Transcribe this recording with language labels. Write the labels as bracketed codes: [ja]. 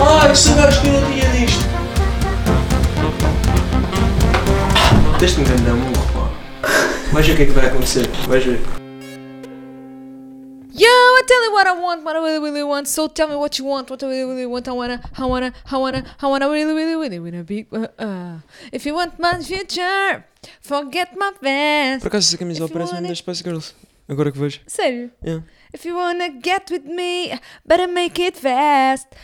[pt] que sabes que eu não tinha disto? Deixa-me ver-me dar um murro, pô. Vais ver o que é que vai acontecer. Vais ver. [en] Yo, I tell you what I want, what I really, really want. So tell me what you want, what I really, really want. I wanna really, really, really wanna be. If you want my future, forget my past. [pt] Por acaso essa camisola parece uma das Spice Girls, agora que vejo. Sério? [en] Yeah. If you wanna get with me, better make it fast.